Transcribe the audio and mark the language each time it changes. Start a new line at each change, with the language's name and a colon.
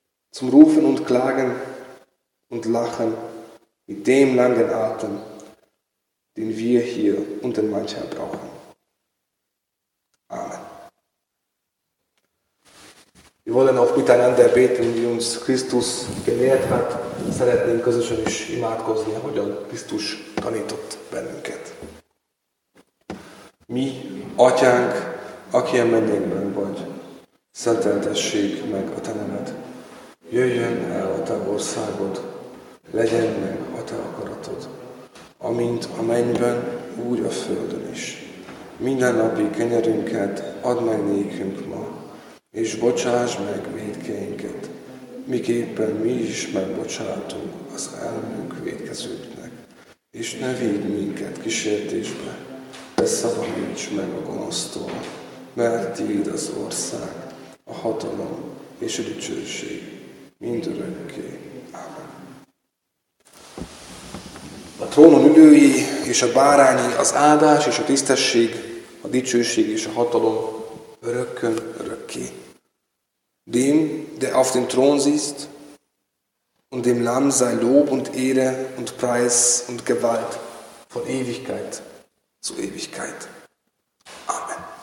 German: zum Rufen und Klagen und Lachen mit dem langen Atem, den wir hier und den Menschen brauchen. Amen. Wir wollen auch miteinander beten, wie uns Christus gelehrt hat.
Hungarian: Szeretném közösen is imádkozni, ahogyan Krisztus tanított bennünket. Mi, Atyánk, aki a mennyekben vagy, szenteltessék meg a te nemed. Jöjjön el a te országod, legyen meg a te akaratod, amint a mennyben, úgy a földön is. Minden napi kenyerünket add meg nékünk ma, és bocsáss meg vétkeinket, miképpen mi is megbocsátunk az ellenünk vétkezőknek. És ne védj minket kísértésbe, de szabadíts meg a gonosztól, mert tiéd az ország, a hatalom és a dicsőség mindörökké. Amen. A trónon ülői és a bárányi, az áldás és a tisztesség, a dicsőség és a hatalom örökkön örökké.
German: Dem, der auf dem Thron sitzt, und dem Lamm sei Lob und Ehre und Preis und Gewalt von Ewigkeit zu Ewigkeit. Amen.